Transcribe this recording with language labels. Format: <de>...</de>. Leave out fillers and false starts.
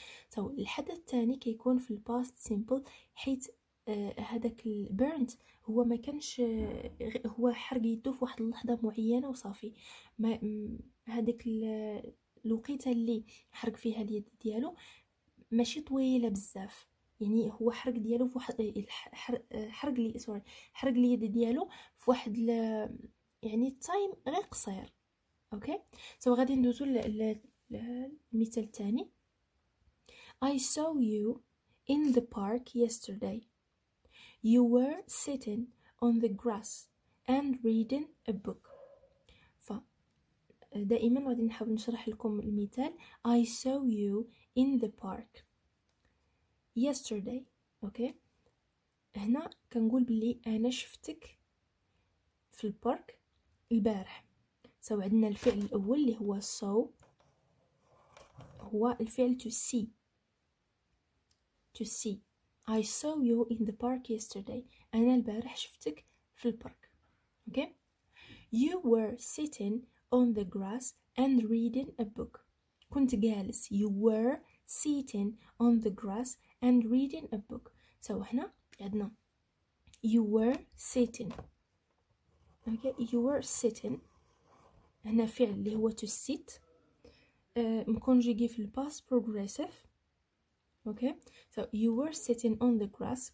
<ar>سو الحدث الثاني كيكون في الباست سيمبل، حيت هذاك البيرنت هو ما كانش هو حرق يده في واحد اللحظه معينه وصافي، ما هذيك الوقيته اللي حرق فيها اليد ديالو ماشي طويله بزاف، يعني هو حرق ديالو في واحد حرق لي سوري حرق اليد ديالو في واحد يعني التايم غير قصير. اوكي سو غادي ندوزو للمثال الثاني.</ar> <en>I saw you in the park yesterday. You were sitting on the grass and reading a book.</en> <ar>فدائما غادي نحاول نشرح لكم المثال.</ar> <en>I saw you in the park yesterday.</en> <ar>اوكي هنا كنقول بلي انا شفتك في البارك البارح. سو عندنا الفعل الاول اللي هو saw، هو الفعل to see.</ar> <en>To see. I saw you in the park yesterday.</en> <ar>أنا البارح شفتك في البارك.</ar> <en>Okay. You were sitting on the grass and reading a book.</en> <ar>كنت جالس.</ar> <en>You were sitting on the grass and reading a book. So</en> <ar>هنا عندنا.</ar> <en>You were sitting. Okay. You were sitting.</en> <ar>هنا فعل اللي هو</ar> <en>to sit.</en> <ar>مكونجيغي في الباست بروغريسيف.</ar> <en>Okay, so you were sitting on the grass.</en>